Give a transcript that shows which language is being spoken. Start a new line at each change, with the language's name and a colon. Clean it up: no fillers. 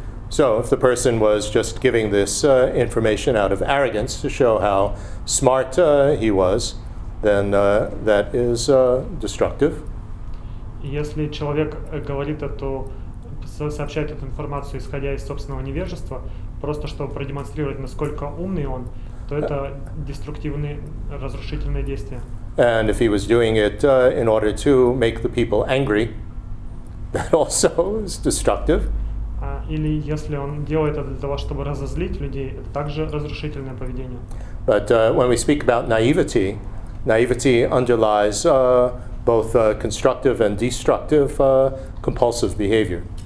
English: So, if the person was just giving this information out of arrogance to show how smart he was, then that is destructive.
Russian: Если человек говорит эту, сообщает эту информацию, исходя из собственного невежества, просто чтобы продемонстрировать, насколько умный он, то это деструктивные, разрушительные действия.
English: And if he was doing it in order to make the people angry, that also is destructive.
Russian: или если он делает это для того, чтобы разозлить людей, это также разрушительное поведение.
English: But when we speak about naivety, naivety underlies both constructive and destructive compulsive behavior.